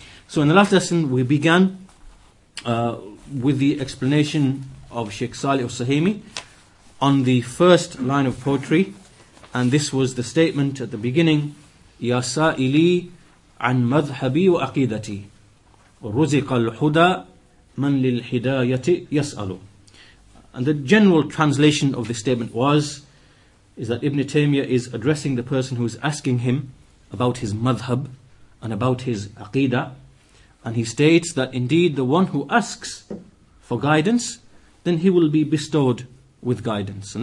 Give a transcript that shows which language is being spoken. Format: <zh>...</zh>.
<en>So in the last lesson, we began with the explanation of Sheikh Saleh Al-Suhaimi on the first line of poetry. And this was the statement at the beginning,</en> <ar>Ya Sa'ili an madhhabi wa aqidati. رزق الهدى من للهداية يسأل.</ar> <en>And the general translation of this statement is that Ibn Taymiyyah is addressing the person who is asking him about his madhab and about his aqidah, and he states that indeed the one who asks for guidance, then he will be bestowed with guidance.</en>